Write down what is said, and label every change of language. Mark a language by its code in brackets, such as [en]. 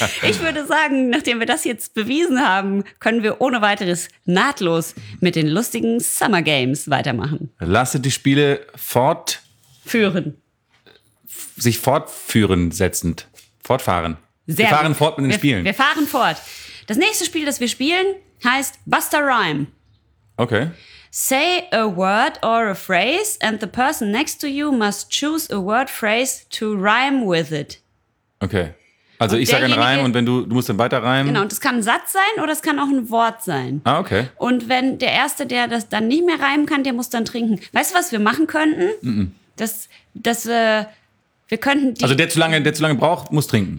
[de] Ich würde sagen, nachdem wir das jetzt bewiesen haben, können wir ohne weiteres nahtlos mit den lustigen Summer Games weitermachen. Lasse die Spiele fortführen. Sich fortführen setzend. Fortfahren. Sehr wir fahren gut. Fort mit den wir, Spielen. Wir fahren fort. Das nächste Spiel, das wir spielen, heißt Buster Rhyme. Okay. [en] Say a word or a phrase and the person next to you must choose a word phrase to rhyme with it. Okay. [de] Also und ich sage einen Reim und wenn du musst dann weiter reimen. Genau, und das kann ein Satz sein oder es kann auch ein Wort sein. Ah, okay. Und wenn der Erste, der das dann nicht mehr reimen kann, der muss dann trinken. Weißt du, was wir machen könnten? Mm-mm. Wir könnten also der zu lange braucht, muss trinken.